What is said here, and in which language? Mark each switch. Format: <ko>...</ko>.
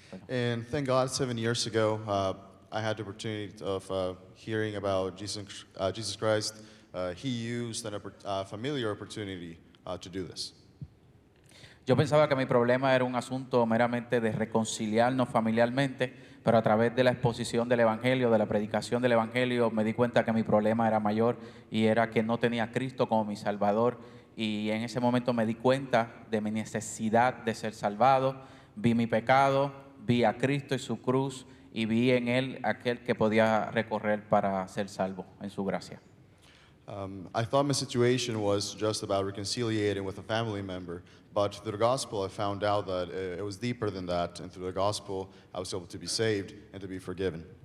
<en>And thank God, 7 years ago, I had the opportunity of hearing about Jesus Christ. He used an familiar opportunity to do this.</en> <es>Yo pensaba que mi problema era un asunto meramente de reconciliarnos familiarmente, pero a través de la exposición del Evangelio, de la predicación del Evangelio, me di cuenta que mi problema era mayor y era que no tenía a Cristo como mi Salvador. Y en ese momento me di cuenta de mi necesidad de ser salvado. Vi mi pecado, vi a Cristo y su cruz, y vi en Él aquel que podía recorrer para ser salvo en su gracia.</es> <en>I thought my situation was just about reconciliating with a family member, but through the gospel I found out that it was deeper than that, and through the gospel I was able to be saved and to be forgiven.</en>